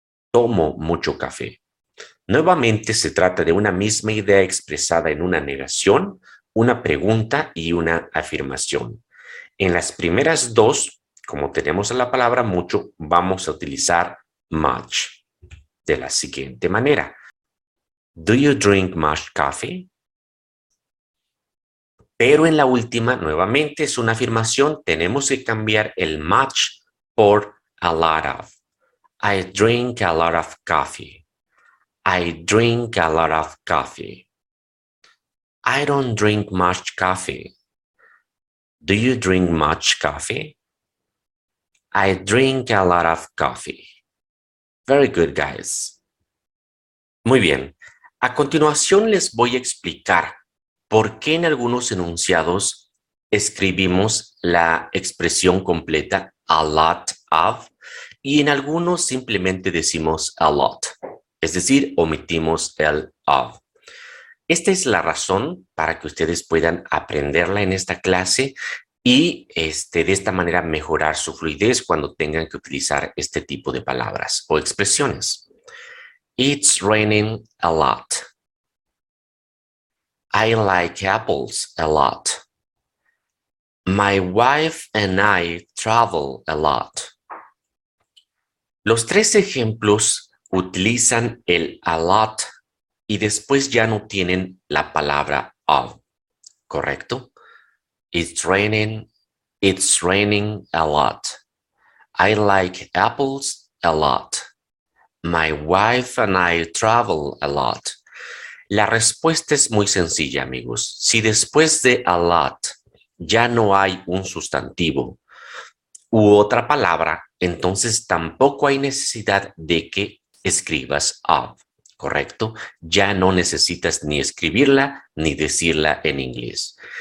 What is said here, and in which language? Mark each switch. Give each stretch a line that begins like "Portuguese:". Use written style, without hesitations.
Spanish: Tomo mucho café. Nuevamente se trata de una misma idea expresada en una negación, una pregunta y una afirmación. En las primeras dos, como tenemos la palabra mucho, vamos a utilizar much. De la siguiente manera.
English: Do you drink much coffee?
Spanish: Pero en la última, nuevamente es una afirmación, tenemos que cambiar el much por a lot of.
English: I drink a lot of coffee. I drink a lot of coffee. I don't drink much coffee. Do you drink much coffee? I drink a lot of coffee. Very good, guys.
Spanish: Muy bien. A continuación les voy a explicar por qué en algunos enunciados escribimos la expresión completa a lot of y en algunos simplemente decimos a lot. Es decir, omitimos el of. Esta es la razón para que ustedes puedan aprenderla en esta clase y de esta manera mejorar su fluidez cuando tengan que utilizar este tipo de palabras o expresiones.
English: It's raining a lot. I like apples a lot. My wife and I travel a lot.
Spanish: Los tres ejemplos utilizan el a lot y después ya no tienen la palabra of, ¿correcto?
English: It's raining a lot. I like apples a lot. My wife and I travel a lot.
Spanish: La respuesta es muy sencilla, amigos. Si después de a lot ya no hay un sustantivo u otra palabra, entonces tampoco hay necesidad de que escribas of, ¿correcto? Ya no necesitas ni escribirla ni decirla en inglés.